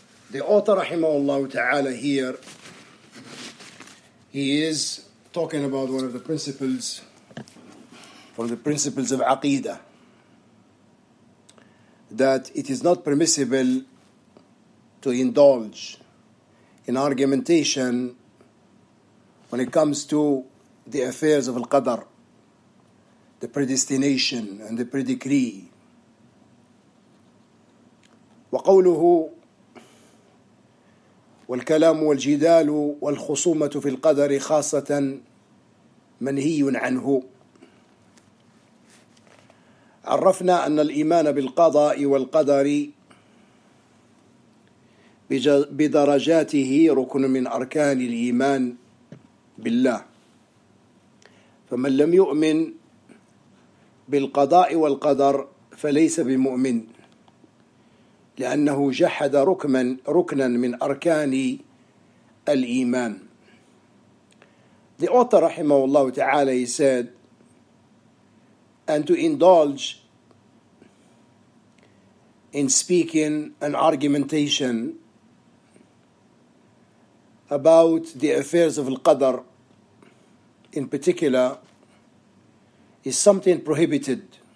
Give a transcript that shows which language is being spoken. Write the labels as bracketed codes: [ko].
[en] The author rahimahullah ta'ala here, he is talking about one of the principles from the principles of aqidah, that it is not permissible to indulge in argumentation when it comes to the affairs of al-qadr, the predestination and the predecree. [ar] وقوله والكلام والجدال والخصومة في القدر خاصة منهي عنه. عرفنا أن الإيمان بالقضاء والقدر بدرجاته ركن من أركان الإيمان بالله، فمن لم يؤمن بالقضاء والقدر فليس بمؤمن، لأنه جحد ركنا من أركان الإيمان. [en] The author [ar] رحمه الله تعالى [en] he said, and to indulge in speaking an argumentation about the affairs of al-qadr in particular is something prohibited.